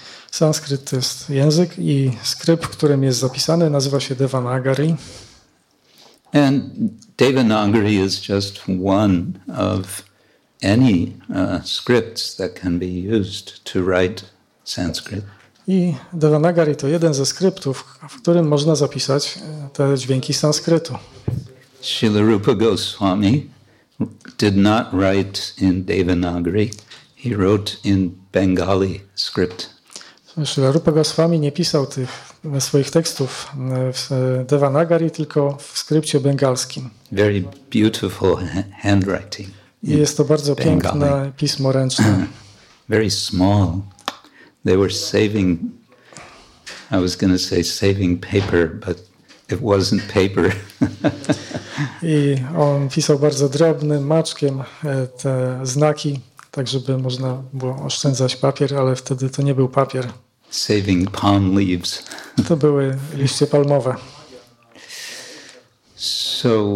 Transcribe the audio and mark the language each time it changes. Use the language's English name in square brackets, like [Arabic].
[Polish] Sanskryt to jest język i skrypt, którym jest zapisany, nazywa się Devanagari. [English] And Devanagari is just one of any scripts that can be used to write Sanskrit. [Polish] I Devanagari to jeden ze skryptów, w którym można zapisać te dźwięki sanskrytu. [English] Śrīla Rūpa Goswami did not write in Devanagari. He wrote in Bengali script. [Polish] Śrīla Rūpa Goswami nie pisał tych swoich tekstów w Devanagari, tylko w skrypcie bengalskim. [English] Very beautiful handwriting. [Polish] I jest to bardzo piękne pismo ręczne. [English] Very small. They were saving, I was going to say saving paper, but it wasn't paper. [Polish] I on pisał bardzo drobnym maczkiem te znaki, tak żeby można było oszczędzać papier, ale wtedy to nie był papier. [English] Saving palm leaves. [Polish] To były liście palmowe. [English] So,